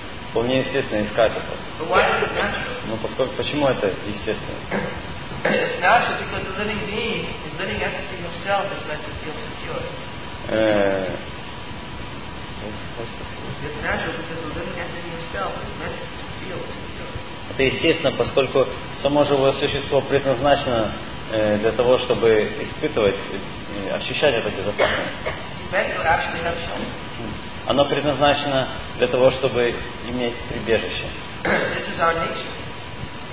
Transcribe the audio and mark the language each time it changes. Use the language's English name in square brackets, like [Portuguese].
[Russian] Вполне естественно искать это. Но почему это естественно? [English] It's natural because the living being, the living entity himself is meant to feel secure. It's natural because the living entity himself is meant to feel secure. [Russian] Это естественно, поскольку само живое существо предназначено для того, чтобы испытывать, ощущать это безопасность. Оно предназначено для того, чтобы иметь прибежище. [English] This is our nature.